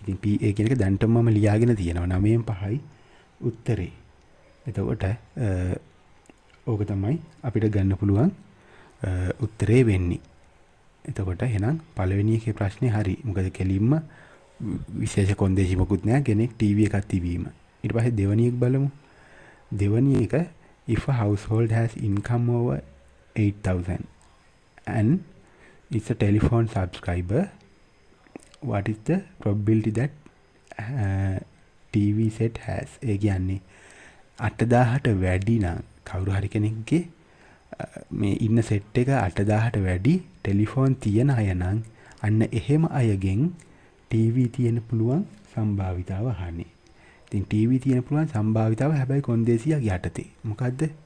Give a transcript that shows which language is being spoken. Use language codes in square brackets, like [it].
[si] ඉතින් PA කියන එක දැන්ටම මම ලියාගෙන තියෙනවා 9න් 5යි උත්තරේ. එතකොට ඕක තමයි අපිට ගන්න පුළුවන් උත්තරේ වෙන්නේ. එතකොට එහෙනම් පළවෙනි එකේ ප්‍රශ්නේ හරි. මොකද කෙලින්ම විශේෂ කොන්දේසිමකුත් නැහැ කෙනෙක් ටීවී එකක් තිබීම. ඊට පස්සේ දෙවැනි එක බලමු. දෙවැනි එක [en] if a household has income over 8000 and it's a telephone subscriber, what is the probability that TV set has? [si] ඒ කියන්නේ 8000ට වැඩි නම් කවුරු හරි කෙනෙක්ගේ මේ ඉන්න සෙට් එක 8000ට වැඩි ටෙලිෆෝන් තියෙන අය නම් අන්න එහෙම අයගෙන් TV තියෙන පුළුවන් සම්භාවිතාව හානි. ඉතින් TV තියෙන පුළුවන් සම්භාවිතාව හැබැයි කොන්දේසියා යටතේ. මොකද්ද?